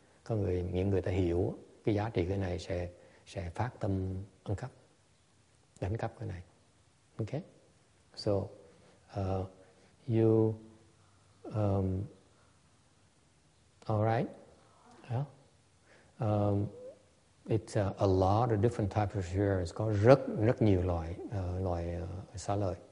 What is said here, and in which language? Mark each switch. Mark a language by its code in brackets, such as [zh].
[vi] Có người những người ta hiểu cái giá trị cái này sẽ phát tâm ăn cắp, đánh cắp cái này. [en] Okay, so it's a lot of different types of shares. [vi] Có rất rất nhiều loại loại xá lợi.